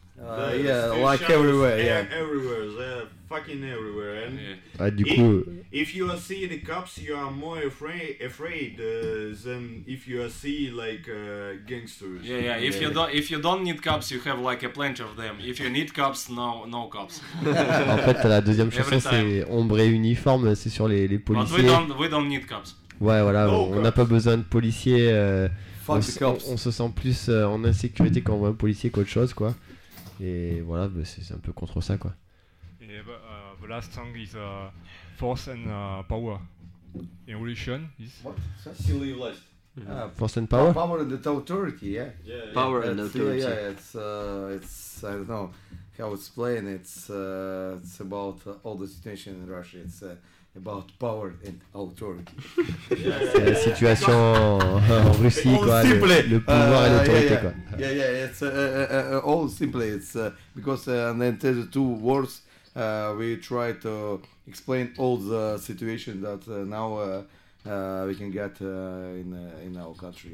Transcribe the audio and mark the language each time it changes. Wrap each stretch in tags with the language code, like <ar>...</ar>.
<en>Everywhere. Yeah, everywhere. They're fucking everywhere. And</en> <fr>yeah. Du coup,</fr> <en>if you see the cops, you are more afraid than if you see like gangsters. Yeah. If you don't need cops, you have like a plenty of them. If you need cops, no cops.</en> <fr>En fait, la deuxième chanson c'est ombre et uniforme, c'est sur les policiers.</fr> <en>But we don't need cops.</en> <fr>Ouais, voilà,</fr> <en>no,</en> <fr>on n'a pas besoin de policiers.</fr> <en>Fuck the cops. On</en> <fr>se sent plus en insécurité quand on voit un policier qu'autre chose, quoi. Et voilà, bah c'est un peu contre ça, quoi.</fr> <en>Et the last song is Force and Power. Evolution is... What? Silly list. Force and Power? Power and Authority, yeah. Power and Authority. Yeah, it's I don't know how to explain. It's about all the situation in Russia. It's about power and authority.</en> <fr>C'est la situation en Russie, quoi, le pouvoir et l'autorité, quoi.</fr> <en>Yeah, it's all simply. It's because in the two words, we try to explain all the situation that now we can get in our country.</en>